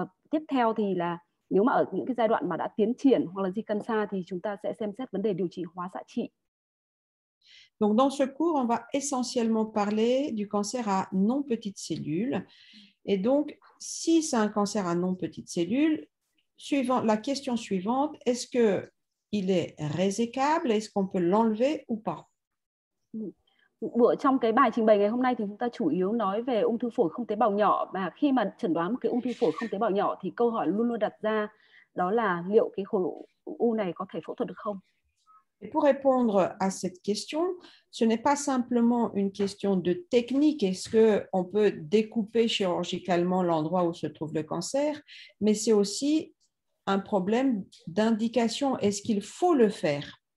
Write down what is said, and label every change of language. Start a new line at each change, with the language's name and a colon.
Vietnamese: Tiếp theo thì là nếu mà ở những cái giai đoạn mà đã tiến triển hoặc là di căn xa thì chúng ta sẽ xem xét vấn đề điều trị hóa xạ trị.
French: Donc, dans ce cours, on va essentiellement parler du cancer à non petites cellules. Et donc, si c'est un cancer à non petites cellules, la question suivante, est-ce qu'il est résécable? Est-ce qu'on peut l'enlever ou pas?
Vietnamese: Trong cái bài trình bày ngày hôm nay thì chúng ta chủ yếu nói về ung thư phổi không tế bào nhỏ, và khi mà chẩn đoán một cái ung thư phổi không tế bào nhỏ thì câu hỏi luôn luôn đặt ra đó là liệu cái khối u này có thể phẫu thuật được không?
French: Et pour répondre à cette question, ce n'est pas simplement une question de technique, est-ce qu'on peut découper chirurgicalement l'endroit où se trouve le cancer, mais c'est aussi un problème d'indication, est-ce qu'il faut le faire?